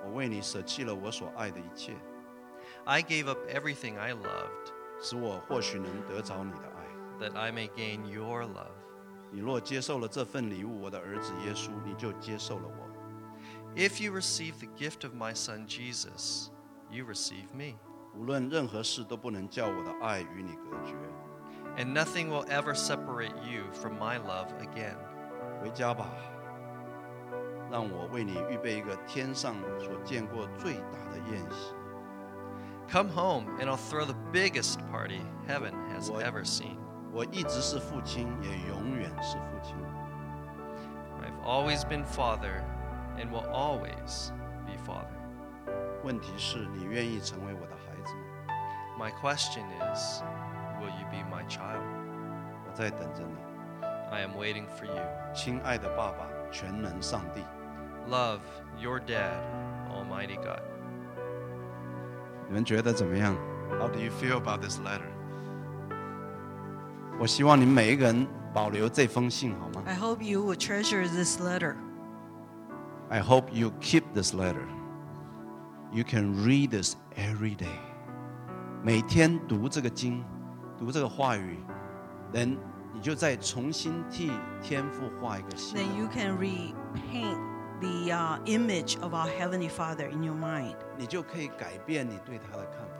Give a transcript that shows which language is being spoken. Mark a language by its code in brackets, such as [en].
[zh] 我为你舍弃了我所爱的一切。 [en] I gave up everything I loved. [zh] 使我或许能得着你的爱。 [en] That I may gain your love. [zh] 你若接受了这份礼物，我的儿子耶稣，你就接受了我。 [en] If you receive the gift of my son Jesus, you receive me. [zh] 无论任何事都不能叫我的爱与你隔绝。 [en] And nothing will ever separate you from my love again. [zh] 回家吧，让我为你预备一个天上所见过最大的宴席。 [en] Come home, and I'll throw the biggest party heaven has ever seen. [zh] 我一直是父亲，也永远是父亲。 [en] I've always been father, and will always be father. [zh] 问题是，你愿意成为我的孩子吗？ [en] My question is, will you be my child? [zh] 我在等着你。 [en] I am waiting for you. [zh] 亲爱的爸爸，全能上帝。 [en] Love, your dad, Almighty God. [zh] 你们觉得怎么样？ [en] How do you feel about this letter? [zh] 我希望你们每一个人保留这封信，好吗？ [en] I hope you will treasure this letter. I hope you keep this letter. You can read this every day. [zh] 每天读这个经，读这个话语，然后你就再重新替天父画一个新。 [en] Then you can repaint the image of our Heavenly Father in your mind. [zh] 你就可以改变你对他的看法。